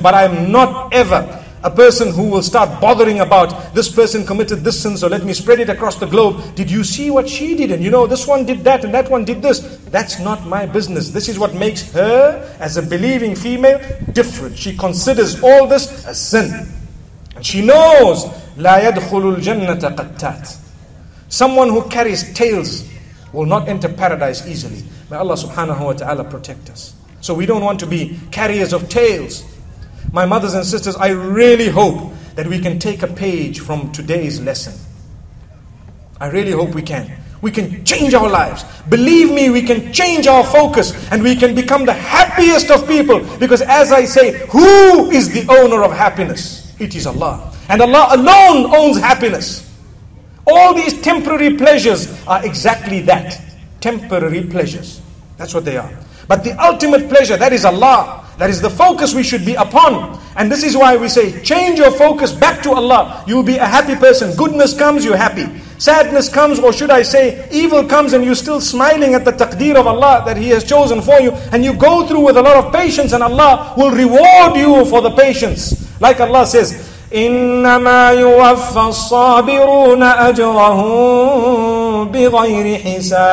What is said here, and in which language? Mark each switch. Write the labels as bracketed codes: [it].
[en] But I'm not ever a person who will start bothering about this person committed this sin, so let me spread it across the globe. Did you see what she did? And you know, this one did that and that one did this. That's not my business. This is what makes her, as a believing female, different. She considers all this a sin. And she knows, [ar] لا يدخل الجنة قتات. [en] Someone who carries tails will not enter paradise easily. May Allah subhanahu wa ta'ala protect us. So we don't want to be carriers of tails. My mothers and sisters, I really hope that we can take a page from today's lesson. I really hope we can. We can change our lives. Believe me, we can change our focus and we can become the happiest of people. Because as I say, who is the owner of happiness? It is Allah. And Allah alone owns happiness. All these temporary pleasures are exactly that. Temporary pleasures. That's what they are. But the ultimate pleasure, that is Allah. That is the focus we should be upon. And this is why we say, change your focus back to Allah. You will be a happy person. Goodness comes, you're happy. Sadness comes, or should I say, evil comes, and you're still smiling at the taqdeer of Allah that He has chosen for you. And you go through with a lot of patience, and Allah will reward you for the patience. Like Allah says, [ar] إِنَّمَا يُوَفَّى الصَّابِرُونَ أَجْرَهُمْ بِغَيْرِ حِسَابٍ.